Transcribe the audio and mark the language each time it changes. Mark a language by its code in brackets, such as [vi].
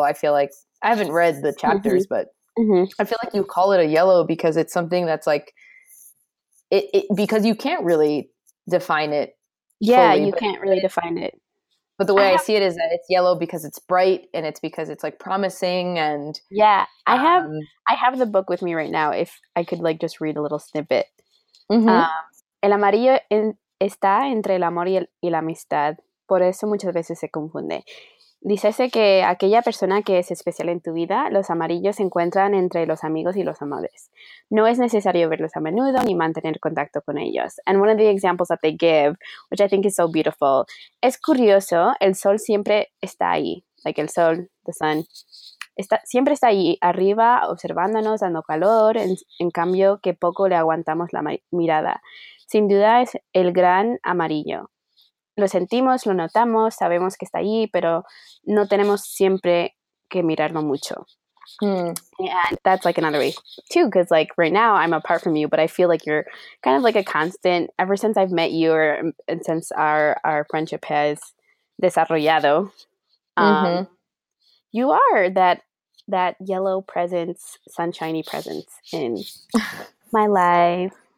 [en] I feel like I haven't read the chapters, mm-hmm. but mm-hmm. I feel like you call it a yellow because it's something that's like it because you can't really define it. Yeah, fully, you can't really define it. But the way I see it is that it's yellow because it's bright and it's because it's like promising and yeah. I have the book with me right now. If I could like just read a little snippet. Mm-hmm. [es] El amarillo en está entre el amor y la amistad, por eso muchas veces se confunde. Dícese que aquella persona que es especial en tu vida, los amarillos se encuentran entre los amigos y los amores. No es necesario verlos a menudo ni mantener contacto con ellos. [en] And one of the examples that they give, which I think is so beautiful, [es] es curioso, el sol siempre está ahí, like el sol, [en] the sun, [es] siempre está ahí arriba observándonos, dando calor, en cambio que poco le aguantamos la mirada. Sin duda es el gran amarillo. Lo sentimos, lo notamos, sabemos que está ahí, pero no tenemos siempre que mirarlo mucho. Hmm. [en] And that's like another way too, because like right now I'm apart from you, but I feel like you're kind of like a constant. Ever since I've met you and since our friendship has desarrollado, mm-hmm. You are that yellow presence, sunshiny presence in my life.